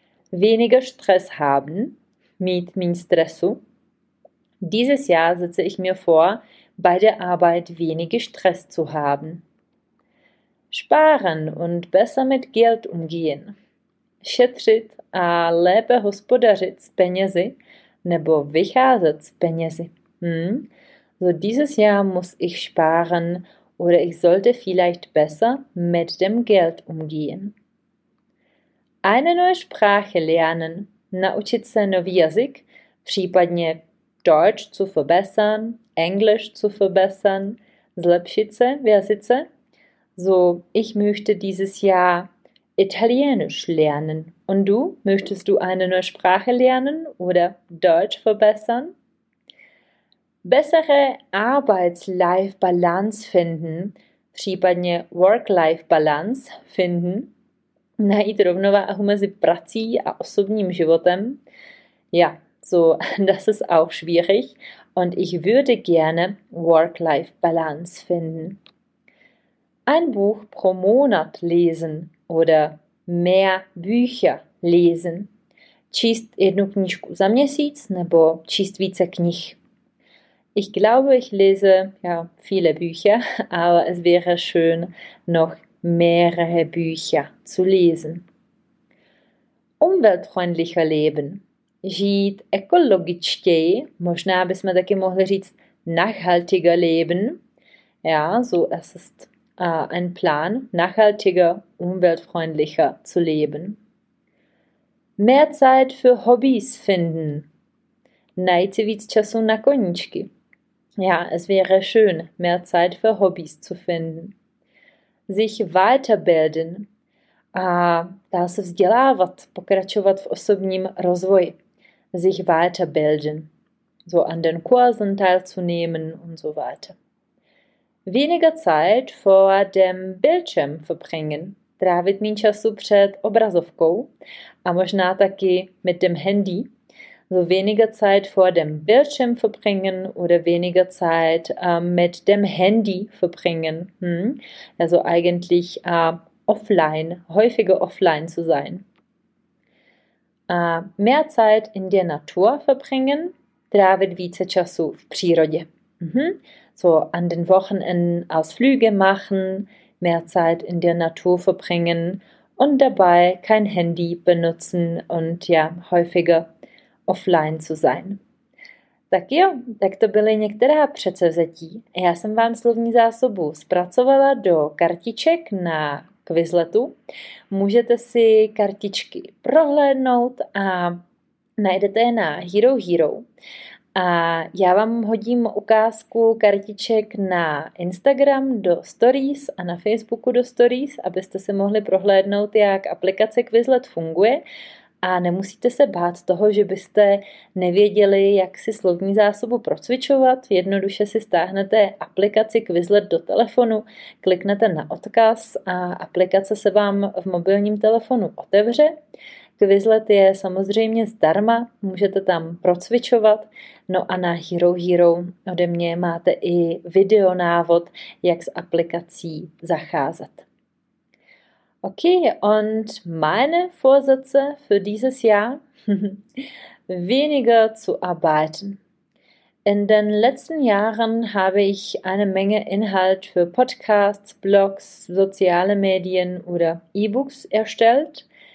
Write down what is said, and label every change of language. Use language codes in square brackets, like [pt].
[de] weniger Stress haben mit mein Stressu. Dieses Jahr setze ich mir vor, bei der Arbeit weniger Stress zu haben. Sparen und besser mit Geld umgehen. [cs] Šetřit a lépe hospodařit s penězi nebo vycházet s penězi. [de] So dieses Jahr muss ich sparen oder ich sollte vielleicht besser mit dem Geld umgehen. Eine neue Sprache lernen, [cs] naučit se nový jazyk, případně [de] Deutsch zu verbessern, Englisch zu verbessern, [cs] zlepšit se v jazyce. [de] So, ich möchte dieses Jahr Italienisch lernen. Und du, möchtest du eine neue Sprache lernen oder Deutsch verbessern? Bessere Arbeits-Life-Balance finden, [cs] případně [de] Work-Life-Balance finden, [cs] najít rovnováhu mezi prací a osobním životem. [de] Ja, so, das ist auch schwierig und ich würde gerne Work-Life-Balance finden. Ein Buch pro Monat lesen oder mehr Bücher lesen. [cs] Číst jednu knížku za měsíc nebo číst více knih. [de] Ich glaube, ich lese ja viele Bücher, aber es wäre schön, noch mehrere Bücher zu lesen. Umweltfreundlicher leben. [cs] Žít ekologičtěji, možná bychom taky mohli říct [de] nachhaltiger leben. Ja, so es ist ein Plan, nachhaltiger, umweltfreundlicher zu leben. Mehr Zeit für Hobbys finden. [cs] Najít si víc času na koníčky. [de] Ja, es wäre schön, mehr Zeit für Hobbys zu finden. Sich weiterbilden. [cs] A da se vzdělávat, pokračovat v osobním rozvoji. [de] Sich weiterbilden. So an den Kursen teilzunehmen und so weiter. Weniger Zeit vor dem Bildschirm verbringen. [cs] Trávit méně času před obrazovkou a možná taky [de] mit dem Handy. So weniger Zeit vor dem Bildschirm verbringen oder weniger Zeit mit dem Handy verbringen. Also eigentlich offline, häufiger offline zu sein. Mehr Zeit in der Natur verbringen. [cs] Trávit více času v přírodě. [de] So an den Wochenenden Ausflüge machen, mehr Zeit in der Natur verbringen und dabei kein Handy benutzen und ja, häufiger offline zu sein. [cs] Tak jo, tak to byly některá předsevzetí. Já jsem vám slovní zásobu zpracovala do kartiček na Quizletu. Můžete si kartičky prohlédnout a najdete je na Hero Hero. A já vám hodím ukázku kartiček na Instagram do Stories a na Facebooku do Stories, abyste se mohli prohlédnout, jak aplikace Quizlet funguje. A nemusíte se bát toho, že byste nevěděli, jak si slovní zásobu procvičovat. Jednoduše si stáhnete aplikaci Quizlet do telefonu, kliknete na odkaz a aplikace se vám v mobilním telefonu otevře. Quizlet je samozřejmě zdarma, můžete tam procvičovat. No a na Hero Hero ode mě máte i videonávod, jak s aplikací zacházet. [de] Okay, und meine Vorsätze für dieses Jahr? Weniger zu arbeiten. In den letzten Jahren habe ich eine Menge Inhalt für Podcasts, Blogs, soziale Medien oder E-Books erstellt.